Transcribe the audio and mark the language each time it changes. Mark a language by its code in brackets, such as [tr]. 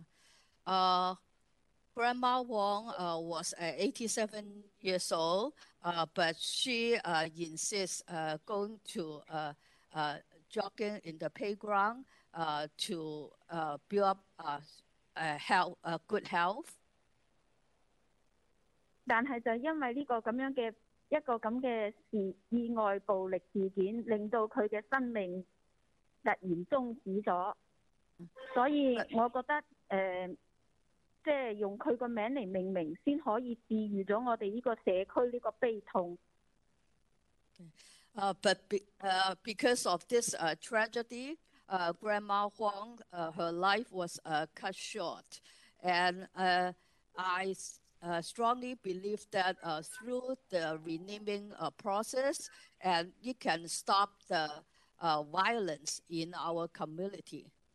[zh] 王婆婆已經87歲了,她就是每天都去繼續去神運,她本身就已經有一個很健康的心態,堅持去鍛鍊她的身體。Grandma [en] Wong was 87 years old, but she insists going to jogging in the playground to build up health, good health. [zh] 但是就因為這個意外暴力事件令到她的生命突然終止了，所以我覺得用她的名字來命名才可以治癒了我們這個社區的悲痛。 But because [en] of this tragedy, Grandma Huang, her life was cut short, and I strongly believe that through the renaming process, and it can stop the violence in our community.